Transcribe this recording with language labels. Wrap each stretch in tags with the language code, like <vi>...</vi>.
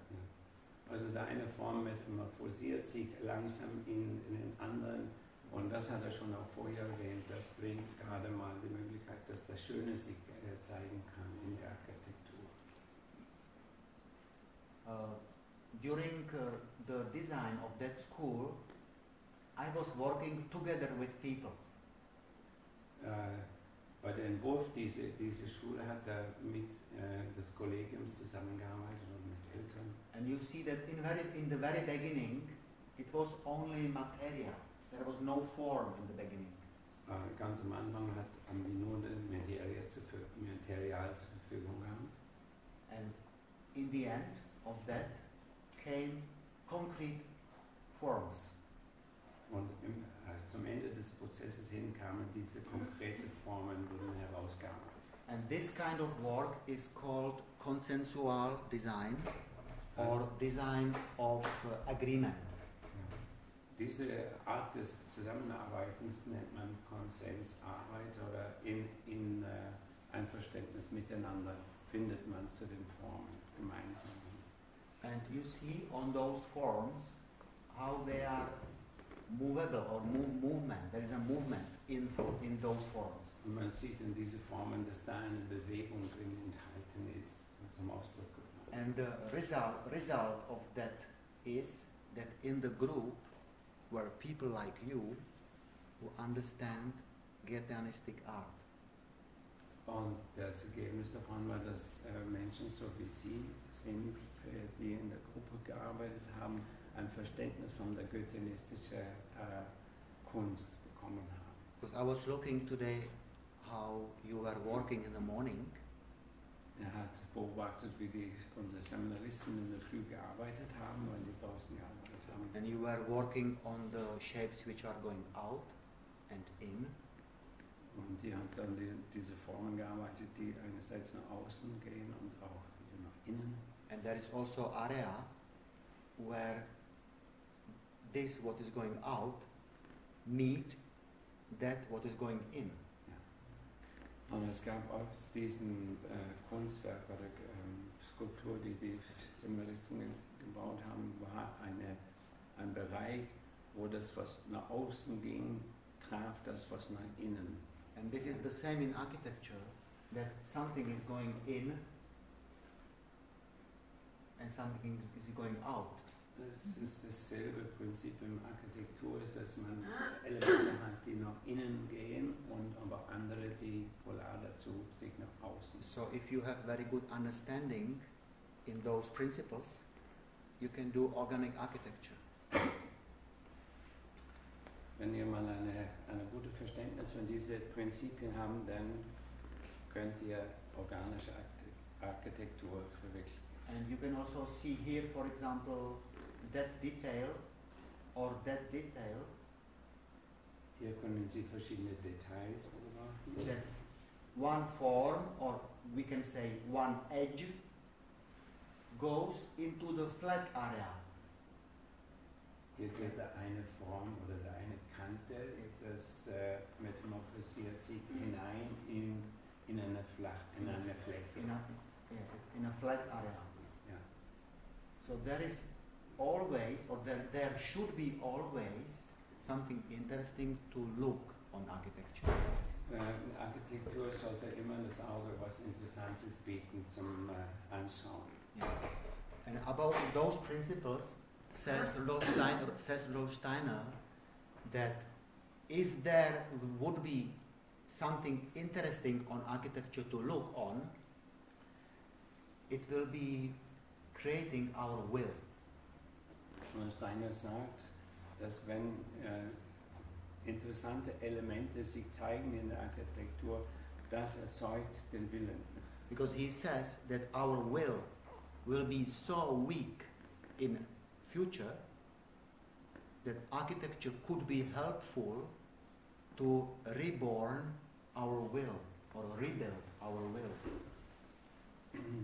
<de>Ja. Also der eine Form metamorphosiert sich langsam in den anderen, und das hat er schon auch vorher erwähnt, das bringt gerade mal die Möglichkeit, dass das Schöne sich zeigen kann in der Architektur.</de> <en>During the design of that school, I was working together with people.</en> <de>Bei dem Entwurf dieser Schule hat er mit das Kollegium zusammengearbeitet und mit Eltern.</de> <en>And you see that in the very beginning, it was only material. There was no form in the beginning.</en> <de>Ganz am Anfang haben die nur Material zur Verfügung gehabt.</de> <en>And in the end of that came concrete forms.</en> <de>Und zum Ende des Prozesses hin kamen diese konkreten Formen, wurden herausgearbeitet.</de> <en>And this kind of work is called consensual design or design of agreement.</en> <de>Diese Art des Zusammenarbeitens nennt man Konsensarbeit, oder in Einverständnis miteinander findet man zu den Formen gemeinsam.</de> <en>And you see on those forms how they are movable or movement. There is a movement in those forms.</en> <de>Man sieht in diese Formen, dass da eine Bewegung drin enthalten ist, zum Ausdruck.</de> <en>And the result of that is that in the group where people like you who understand Goetheanistic art.</en> <de>Und das Ergebnis davon war, dass Menschen, so wie Sie sind, die in der Gruppe gearbeitet haben, ein Verständnis von der goethianistischen Kunst bekommen haben.</de> <en>Because I was looking today how you were working in the morning.</en> <de>Er hat beobachtet, wie die unsere Seminaristen in der Früh gearbeitet haben, wenn die draußen gearbeitet haben.</de> <en>And you were working on the shapes which are going out and in.</en> <de>Und die haben dann diese Formen gearbeitet, die einerseits nach außen gehen und auch wieder nach innen.</de> <en>And there is also area where this what is going out meet that what is going in.</en> <de>Und es gab auch diesen Kunstwerk oder Skulptur, die die Seminaristen gebaut haben, war ein Bereich, wo das, was nach außen ging, traf das, was nach innen.</de> <en>And this is the same in architecture, that something is going in and something is going out.</en> <de>Das ist dasselbe Prinzip in Architektur, ist, dass man Elemente hat, die nach innen gehen und aber andere, die polar dazu sich nach außen.</de> <en>So if you have very good understanding in those principles, you can do organic architecture.</en> <de>Wenn ihr mal eine gute Verständnis von diesen Prinzipien haben, dann könnt ihr organische Architektur verwirklichen.</de> <en>And you can also see here, for example, that detail or that detail.</en> <de>Hier können Sie verschiedene Details beobachten.</de> <en>One form, or we can say one edge, goes into the flat area.</en> <de>Hier geht der eine Form oder der eine Kante, ist das metamorphosiert sich hinein in eine Fläche.</de> <en>In a flat area. So there is always, or there should be always, something interesting to look on architecture.</en> <de>Architektur sollte immer das Auge was Interessantes bieten zum Anschauen.</de> <en>Yeah. And about those principles, says Rolf Steiner, that if there would be something interesting on architecture to look on, it will be creating our will.</en> <de>Und Steiner sagt, dass wenn interessante Elemente sich zeigen in der Architektur, das erzeugt den Willen.</de> <en>Because he says that our will be so weak in future that architecture could be helpful to reborn our will or rebuild our will.</en>